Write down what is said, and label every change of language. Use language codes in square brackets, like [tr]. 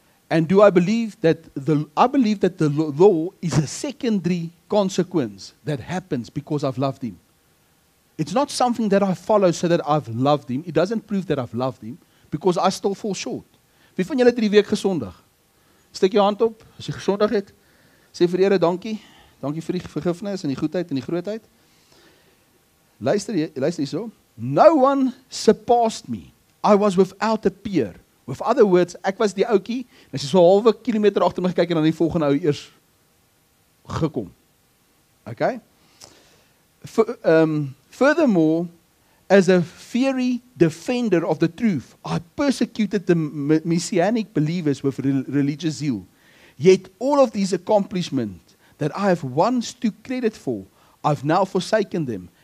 [en] And do I believe that the law is a secondary consequence that happens because I've loved him? It's not something that I follow so that I've loved him. It doesn't prove that I've loved him because I still fall short. [af] Wie van julle het hierdie week gesondig? Steek jou hand op as jy gesondig het. Sê vir die Here dankie. Dankie vir die vergifnis en die goedheid en die grootheid. Luister hierso. [en] No one surpassed me. I was without a peer. With other words, [af] ek was die oukie, en as jy so 0.5 kilometer agter my gekyk, en dan die volgende ou eers gekom. [en] Okay? Furthermore, as a fiery defender of the truth, I persecuted the messianic believers with religious zeal. Yet all of these accomplishments that I have once took credit for, I've now forsaken them.